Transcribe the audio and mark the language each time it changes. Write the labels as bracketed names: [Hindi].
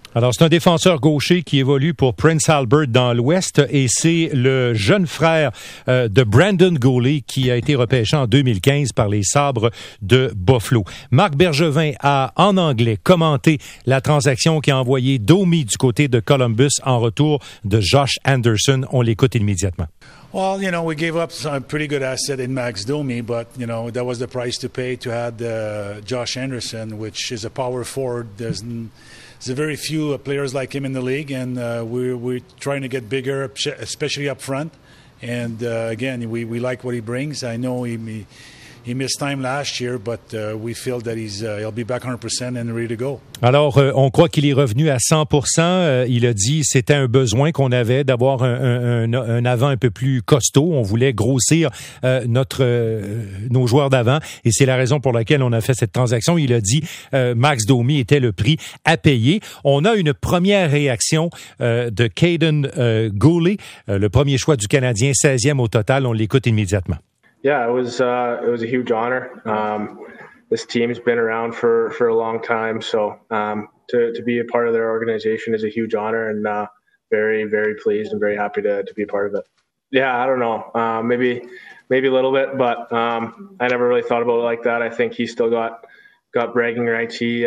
[French] Alors, c'est un défenseur gaucher qui évolue pour Prince Albert dans l'Ouest et c'est le jeune frère de Brandon Goulet qui a été repêché en 2015 par les Sabres de Buffalo. Marc Bergevin a, en anglais, commenté la transaction qui a envoyé Domi du côté de Columbus en retour de Josh Anderson. On l'écoute immédiatement. [English] Well, you know, we gave up a pretty good asset in Max Domi, but, you know, that was the price to pay to add Josh Anderson, which is a power forward. There's a very few players like him in the league, and we're trying to get bigger, especially up front. And, again, we like what he brings. I know he missed time last year, but we feel that he'll be back 100% and ready to go. [French] Alors, on croit qu'il est revenu à 100%. Il a dit que c'était un besoin qu'on avait d'avoir un avant un peu plus costaud. On voulait grossir nos joueurs d'avant. Et c'est la raison pour laquelle on a fait cette transaction. Il a dit Max Domi était le prix à payer. On a une première réaction de Caden Gooley, le premier choix du Canadien, 16e au total. On l'écoute immédiatement. [English] Yeah, it was a huge honor. This team's been around for a long time, so to be a part of their organization is a huge honor, and very, very pleased and very happy to be a part of it. Yeah, I don't know, maybe a little bit, but I never really thought about it like that. I think he's still got bragging rights.